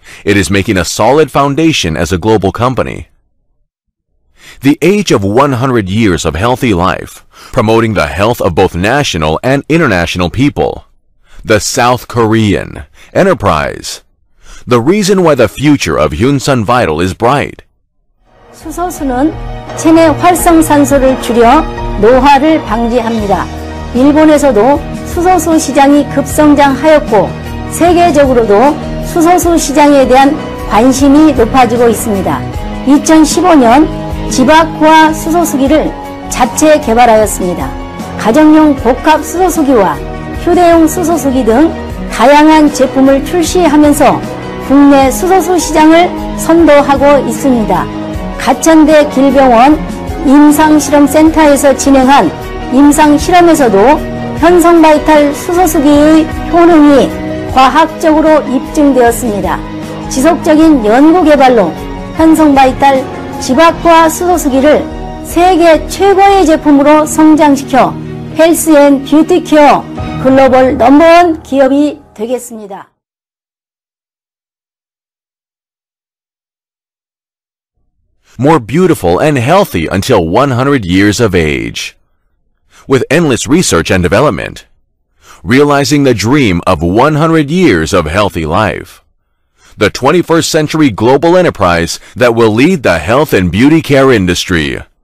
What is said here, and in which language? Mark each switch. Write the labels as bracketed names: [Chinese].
[English] It is making a solid foundation as a global company. The age of 100 years of healthy life, promoting the health of both national and international people. The South Korean enterprise. The reason why the future of Hyun Sung Vital is bright. [Korean] 수소수는 체내 활성산소를 줄여 노화를 방지합니다. 일본에서도 수소수 시장이 급성장하였고 세계적으로도 수소수 시장에 대한 관심이 높아지고 있습니다. 2015년 지바쿠아 수소수기를 자체 개발하였습니다. 가정용 복합 수소수기와 휴대용 수소수기 등 다양한 제품을 출시하면서 국내 수소수 시장을 선도하고 있습니다. 가천대 길병원 임상실험센터에서 진행한 임상실험에서도 현성바이탈 수소수기의 효능이 과학적으로 입증되었습니다. 지속적인 연구개발로 현성바이탈 지바쿠아 수소수기를 세계 최고의 제품으로 성장시켜 헬스앤뷰티케어 글로벌 넘버원 기업이 되겠습니다. [English] More beautiful and healthy until 100 years of age. With endless research and development. Realizing the dream of 100 years of healthy life. The 21st century global enterprise that will lead the health and beauty care industry.